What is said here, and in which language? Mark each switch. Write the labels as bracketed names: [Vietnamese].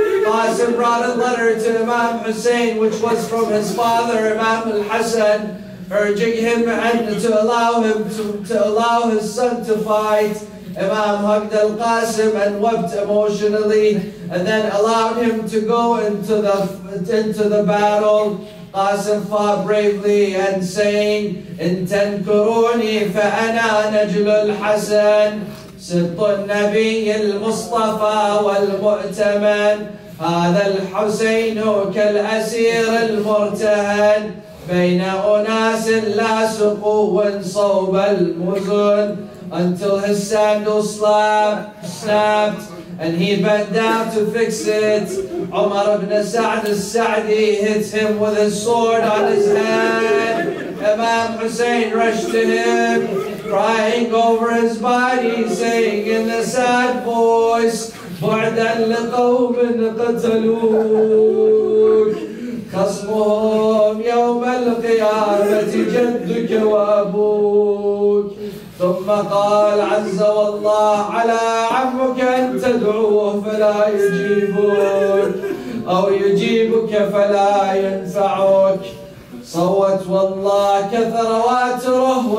[English] Qasim brought a letter to Imam Hussein, which was from his father Imam Al-Hassan, urging him and to allow his son to fight. Imam hugged Al-Qasim and wept emotionally, and then allowed him to go into the battle. Qasim fought bravely and saying, [Arabic] إِن تَنْكُرُونِي فَأَنَا نَجْلُ الْحَسَنِ سِبْطُ النَّبِيِّ الْمُصْطَفَى وَالْمُؤْتَمَنِ هَذَا الْحُسَيْنُ كَالْأَسِيرِ الْمُرْتَهَنِ بين أناس لا سقوا صوب المزن. [English] Until his sandal snapped and he bent down to fix it, Umar ibn Sa'd al-Sa'di hits him with his sword on his head. Imam Hussein rushed to him, crying over his body, saying in a sad voice, [Arabic] بُعْدًا لِقَوْمٍ قَتَلُوكَ خصمهم يوم القيامة جدك وأبوك. ثم قال عز والله على عمك أن تدعوه فلا يجيبك أو يجيبك فلا ينفعك. صوت والله كثرواتره